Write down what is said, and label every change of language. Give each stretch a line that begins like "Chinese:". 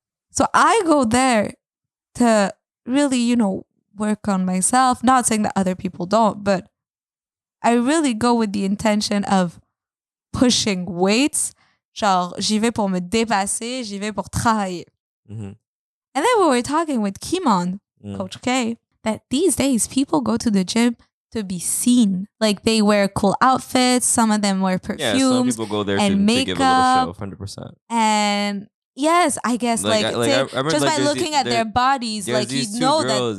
English: So I go there to really, you know, work on myself. Not saying that other people don't, but I really go with the intention of pushing weights.
French: Genre, j'y vais pour me dépasser, j'y vais pour travailler. Mm-hmm.
English: And then we were talking with Kimon, Coach K, that these days people go to the gym to be seen. Like they wear cool outfits, some of them wear perfumes. Yeah, some people go there to makeup, give a little show, 100%. And yes, I guess by looking at their bodies, you know that.